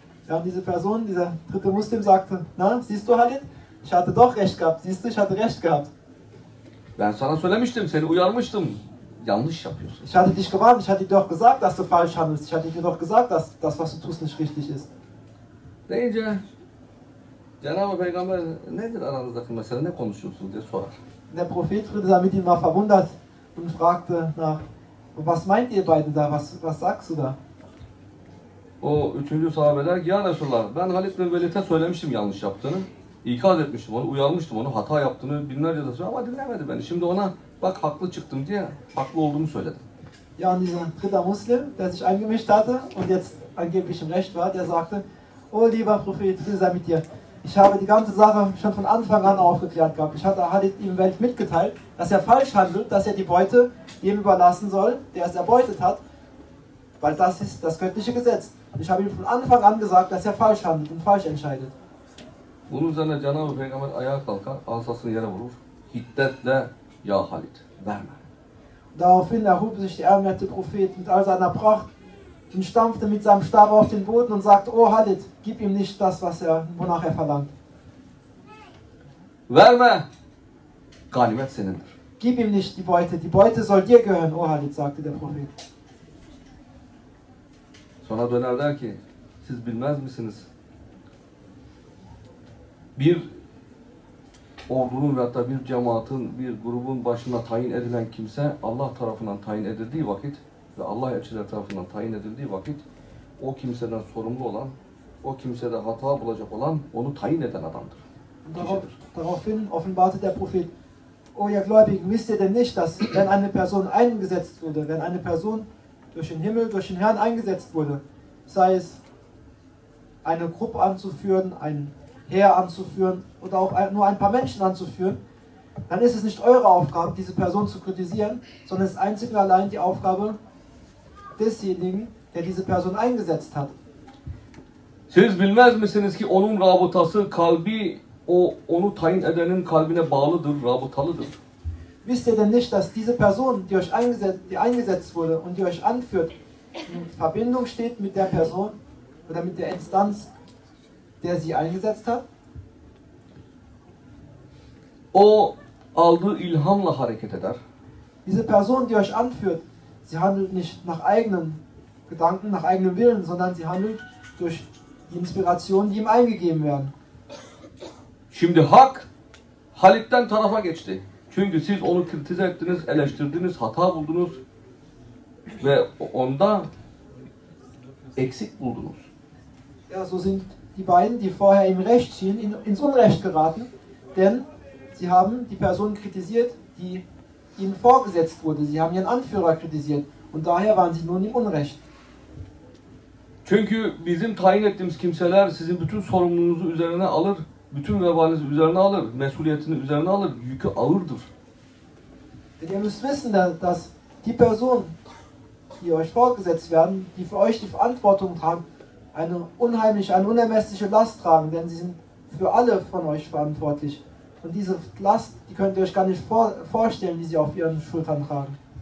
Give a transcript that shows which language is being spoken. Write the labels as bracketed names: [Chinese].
[German] Ja, und diese Person, dieser dritte Muslim sagte: Na, siehst du Halid? Ich hatte doch recht gehabt. Siehst du, ich hatte recht gehabt. [Turkish] Ben sana söylemiştim, seni uyarmıştım. Yanlış yapıyorsun. [German] Ich hatte dich gewarnt, ich hatte dir doch gesagt, dass du falsch handelst. Ich hatte dir doch gesagt, dass das, was du tust, nicht richtig ist. [Turkish] Deyince Cenab-ı Peygamber, nedir aranızdaki mesele, ne konuşuyorsunuz diye sorar. [German] Der Prophet wurde damit ihn war verwundert und fragte nach: Was meint ihr beide da? Was sagst du da? [Turkish] O üçüncü sahabe der ki: Ya Resulallah, ben Halid bin Velid'e söylemiştim yanlış yaptığını. İkaz etmiştim onu, uyarmıştım onu, hata yaptığını binlerce de söyledim ama dinlemedi beni. Şimdi ona bak haklı çıktım diye haklı olduğumu söyledim. [German] Ja, und dieser dritte Muslim, der sich eingemischt hatte und jetzt angeblich im Recht war, der sagte: O lieber Prophet, Friede sei mit dir. Ich habe die ganze Sache schon von Anfang an aufgeklärt gehabt. Ich hatte Halid ihm Welt mitgeteilt, dass er falsch handelt, dass er die Beute jedem überlassen soll, der es erbeutet hat. Weil das ist das göttliche Gesetz. Und ich habe ihm von Anfang an gesagt, dass er falsch handelt und falsch entscheidet. [Turkish] Bunun üzerine Cenab-ı Peygamber ayağa kalkar, asasını yere vurur. Hiddetle: Ya Halid, verme. [German] Daraufhin erhob sich der ehrenwerte Prophet mit all seiner Pracht und stampfte mit seinem Stab auf den Boden und sagte: O Halid, gib ihm nicht das, was er, wonach er verlangt. [Turkish] Verme! Ganimet senindir. [German] Gib ihm nicht die Beute. Die Beute soll dir gehören, O Halid, sagte der Prophet. [Turkish] Sonra döner der ki: Siz bilmez misiniz? Bir ordunun ve hatta bir cemaatin, bir grubun başına tayin edilen kimse Allah tarafından tayin edildiği vakit ve Allah elçiler tarafından tayin edildiği vakit o kimseden sorumlu olan, o kimsede hata bulacak olan, onu tayin eden adamdır. [German] Daraufhin offenbarte der Prophet: O ihr Gläubigen, wisst ihr denn nicht, dass wenn eine Person eingesetzt wurde, wenn eine Person durch den Himmel, durch den Herrn eingesetzt wurde, sei es eine Gruppe anzuführen, ein Heer anzuführen oder auch nur ein paar Menschen anzuführen, dann ist es nicht eure Aufgabe, diese Person zu kritisieren, sondern es ist einzig und allein die Aufgabe desjenigen, der diese Person eingesetzt hat. [Turkish] Siz bilmez misiniz ki onun rabıtası kalbi, o onu tayin edenin kalbine bağlıdır, rabıtalıdır. [German] Wisst ihr denn nicht, dass diese Person, die euch eingesetzt wurde und die euch anführt, in Verbindung steht mit der Person oder mit der Instanz, der sie eingesetzt hat? [Turkish] O aldığı ilhamla hareket eder. [German] Diese Person, die euch anführt, sie handelt nicht nach eigenen Gedanken, nach eigenem Willen, sondern sie handelt durch die Inspirationen, die ihm eingegeben werden. [Turkish] Şimdi hak Halid'den tarafa geçti. Çünkü siz onu kritize ettiniz, eleştirdiniz, hata buldunuz ve onda eksik buldunuz. [German] Ja, so sind die beiden, die vorher im Recht schienen, ins Unrecht geraten, denn sie haben die Person kritisiert, die ihnen vorgesetzt wurde. Sie haben ihren Anführer kritisiert und daher waren sie nun im Unrecht. [Turkish] Çünkü bizim tayin ettiğimiz kimseler sizin bütün sorumluluğunuzu üzerine alır. Bütün vebalinizi üzerine alır. Mesuliyetini üzerine alır. Yükü ağırdır. [German] Ihr müsst wissen, dass die Personen, die euch vorgesetzt werden, die für euch die Verantwortung tragen, eine unermessliche Last tragen, denn sie sind für alle von euch verantwortlich. Und diese Last, die könnt ihr euch gar nicht vorstellen, die sie auf ihren Schultern tragen.